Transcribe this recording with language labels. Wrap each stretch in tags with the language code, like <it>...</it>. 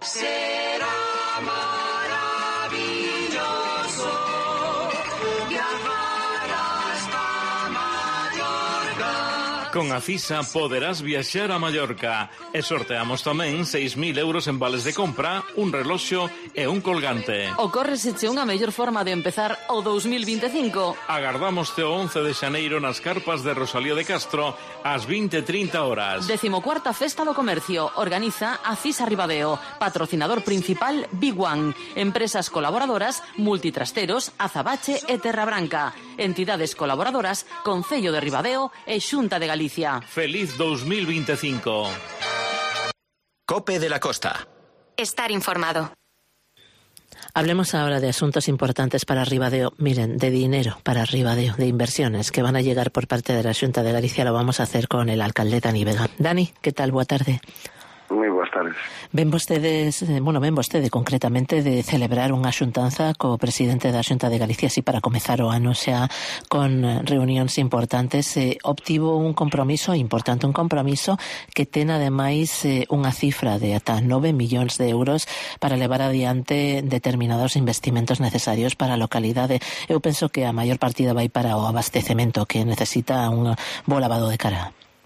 <es>Será maravilloso viajar hasta Mallorca. Con Acisa poderás viajar a Mallorca.</es> <gl>E sorteamos también 6.000 euros en vales de compra, un reloxo e un colgante. Ocorre se che unha mellor forma de empezar o 2025. Agardámoste o 11 de xaneiro nas carpas de Rosalío de Castro, ás 20:30 horas. 14ª Festa do Comercio, organiza Acisa Ribadeo, patrocinador principal Big One, empresas colaboradoras Multitrasteros, Azabache e Terra Branca, entidades colaboradoras Concello de Ribadeo e Xunta de Galicia. Feliz 2025.</gl> <es>COPE de la Costa. Estar informado. Hablemos ahora de asuntos importantes para Ribadeo. Miren, de dinero para Ribadeo, de inversiones que van a llegar por parte de la Xunta de Galicia, lo vamos a hacer con el alcalde Dani Vega. Dani, ¿qué tal? Buenas tardes. Muy buenas tardes.</es> <gl>Ven vostedes concretamente de celebrar unha xuntanza co presidente da Xunta de Galicia, así para comezar o ano, xa con reunións importantes. Obtivo un compromiso importante, un compromiso que ten ademais unha cifra de ata 9 millóns de euros para levar adiante determinados investimentos necesarios para a localidade. Eu penso que a maior partida vai para o abastecemento, que necesita un bo lavado de cara.</gl>